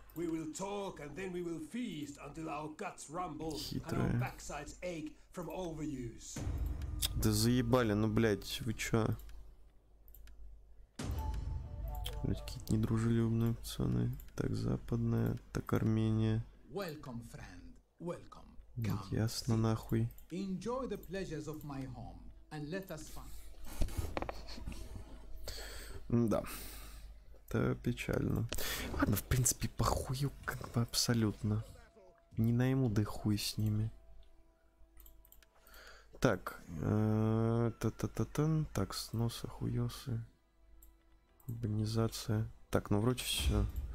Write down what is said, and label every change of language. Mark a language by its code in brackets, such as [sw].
[en] We will talk and then we will feast until our guts rumble and our backsides ache from overuse. [ru] Да заебали, ну блять, вы чё? Блять, какие-то недружелюбные пацаны. Так, западная, так Армения. [en] Welcome, friend. Welcome. [ru] Да, ясно, нахуй. [en] Enjoy the pleasures of my home and let us fun. [ru] Да. Это печально. Ладно, в принципе, похую как бы абсолютно. Не найму, да хуй с ними. Так. Та-та-та-тан. Так, сносы, хуёсы. Организация. Так, ну вроде все.